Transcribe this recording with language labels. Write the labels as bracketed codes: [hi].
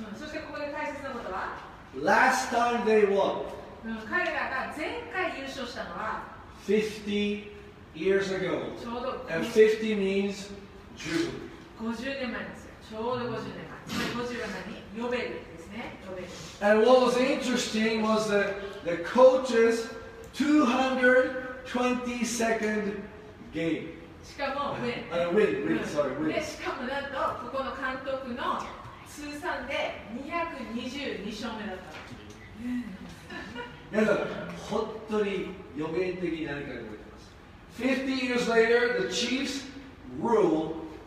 [ja] そしてここで大切なことは、 [en] last time they won. [ja] 彼らが前回優勝したのは、 [en] 50 years ago. [ja] ちょうど、 [en] and 50 means Jubilee. [ja] 50年前ですよ。ちょうど50年前。 50は何？ヨベル。 [en] And what was interesting was that the coach's 222nd game. [ja] しかも win. [en] win. [ja] でしかもなんとここの監督の通算で222勝目だった。皆さん本当に予言的に何か覚えてます。 [en] 50 years later, the Chiefs rule.